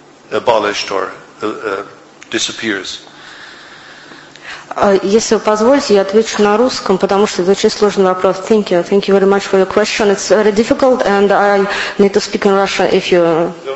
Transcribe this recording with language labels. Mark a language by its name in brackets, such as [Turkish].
[English] abolished or disappears. [Russian] Если вы позволите, я отвечу на русском, потому что это очень сложный вопрос. [English] Thank you. Thank you very much for your question. It's very difficult, and I need to speak in Russian if you...